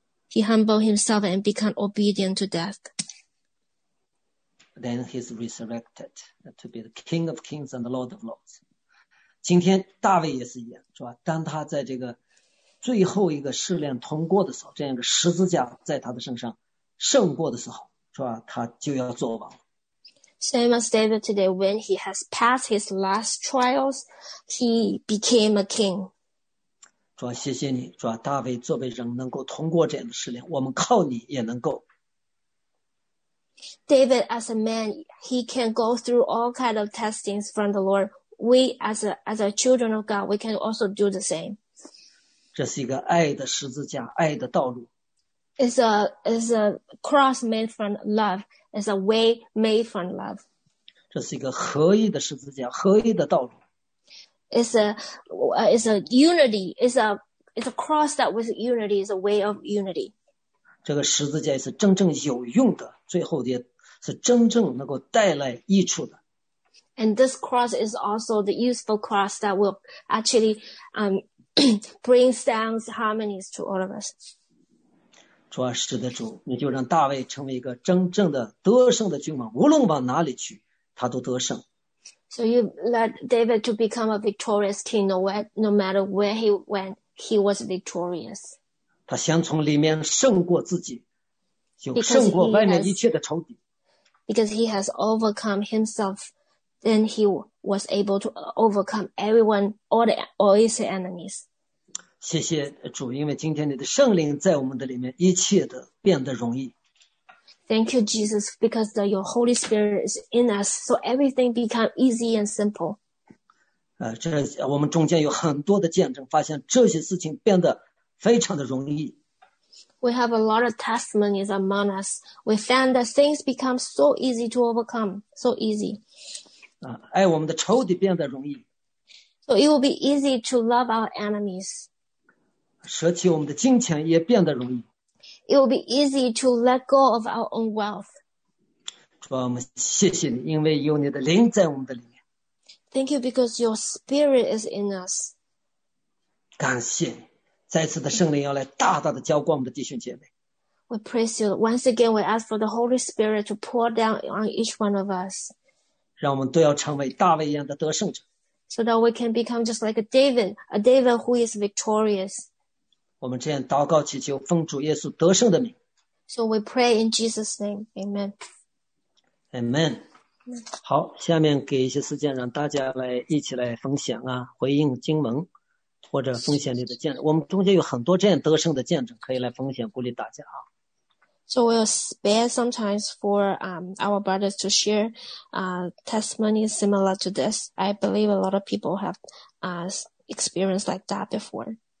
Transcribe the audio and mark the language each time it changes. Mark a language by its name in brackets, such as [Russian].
[English] He humbled himself and become obedient to death. Then he's resurrected to be the King of kings and the Lord of lords. [Chinese] 今天大卫也是一样，是吧？当他在这个最后一个试炼通过的时候，这样一个十字架在他的身上胜过的时候，是吧？他就要做王。 [English] Same as David today, when he has passed his last trials, he became a king. [Chinese] 主啊，谢谢你，主啊，大卫作为人能够通过这样的试炼，我们靠你也能够。 [English] David as a man, he can go through all kind of testings from the Lord. We as a children of God, we can also do the same. [Chinese] 这是一个爱的十字架，爱的道路。 [English] It's a cross made from love. It's a way made from love. [Chinese] 这是一个合一的十字架，合一的道路。 [English] It's a unity. It's a cross that with unity is a way of unity. [Chinese] 这个十字架是真正有用的，最后也是真正能够带来益处的。 [English] And this cross is also the useful cross that will actually bring sounds, harmonies to all of us. [Chinese] 主啊，是的，主，你就让大卫成为一个真正的得胜的君王，无论往哪里去，他都得胜。 [English] So you let David to become a victorious king, no matter where he went, he was victorious. [Chinese] 他先从里面胜过自己，就胜过外面一切的仇敌。 [English] Because he has overcome himself. Then he was able to overcome everyone, all his enemies. [Chinese] 谢谢主，因为今天你的圣灵在我们的里面，一切的变得容易。 [English] Thank you, Jesus, because the, your Holy Spirit is in us, so everything become easy and simple. [Chinese] 这我们中间有很多的见证，发现这些事情变得非常的容易。 [English] We have a lot of testimonies among us. We found that things become so easy to overcome, so easy. [Chinese] 爱我们的仇敌变得容易。 [English] So it will be easy to love our enemies. [Chinese] 舍弃我们的金钱也变得容易。 [English] It will be easy to let go of our own wealth. [Chinese] 主啊，我们谢谢你，因为有你的灵在我们的里面。 [English] Thank you because your spirit is in us. [Chinese] 感谢你，再次的圣灵要来大大的浇灌我们的弟兄姐妹。 [English] We praise you. Once again, we ask for the Holy Spirit to pour down on each one of us. [Chinese] 让我们都要成为大卫一样的得胜者。 [English] So that we can become just like a David who is victorious. [Chinese] 我们这样祷告祈求，奉主耶稣得胜的名。 [English] So we pray in Jesus' name. Amen. Amen. [Chinese] 好，下面给一些时间让大家来一起来分享啊，回应经文。或者风险里的见证，我们中间有很多这样得胜的见证可以来风险鼓励大家啊。 [English] So we'll spare some time for our brothers to share testimonies similar to this. I believe a lot of people have experienced like that before.